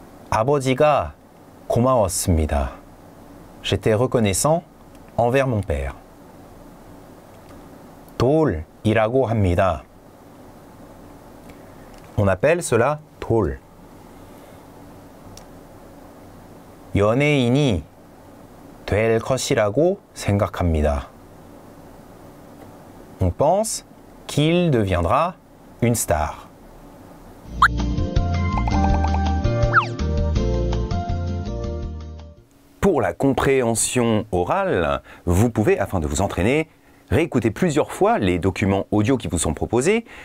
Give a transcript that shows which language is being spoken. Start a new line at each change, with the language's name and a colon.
Korean: 아버지가 고마웠습니다.
French: J'étais reconnaissant envers mon père.
Korean: 돌이라고 합니다.
French: On appelle cela 돌.
Korean: 연예인이 될 것이라고 생각합니다.
French: On pense qu'il deviendra une star. Pour la compréhension orale, vous pouvez, afin de vous entraîner, réécouter plusieurs fois les documents audio qui vous sont proposés.